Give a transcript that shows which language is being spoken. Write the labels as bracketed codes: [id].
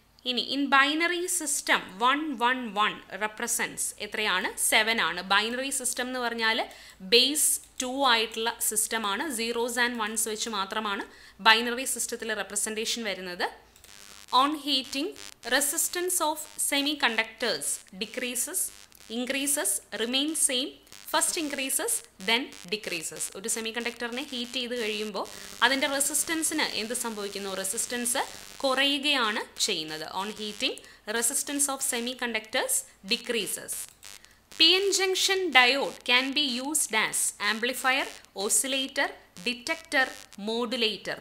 [ml] ഇനി [en] in binary system 111 represents [ml] എത്രയാണ്? 7 ആണ്. ബൈനറി സിസ്റ്റം എന്ന് പറഞ്ഞാൽ ബേസ് 2 ആയിട്ടുള്ള സിസ്റ്റമാണ്. [en] zeros and ones [ml] വെച്ച് മാത്രമാണ് ബൈനറി സിസ്റ്റത്തിലെ റെപ്രസെൻറ്റേഷൻ വരുന്നത്. [en] On heating resistance of semiconductors decreases, increases, remain same. First increases, then decreases. [ml] ഒരു സെമികണ്ടക്ടറിനെ ഹീറ്റ് ചെയ്ത് കഴിയുമ്പോൾ അതിൻ്റെ റെസിസ്റ്റൻസിന് എന്ത് സംഭവിക്കുന്നു? റെസിസ്റ്റൻസ് കുറയുകയാണ് ചെയ്യുന്നത്. [en] On heating resistance of semiconductors decreases. P N junction diode can be used as amplifier, oscillator, detector, modulator.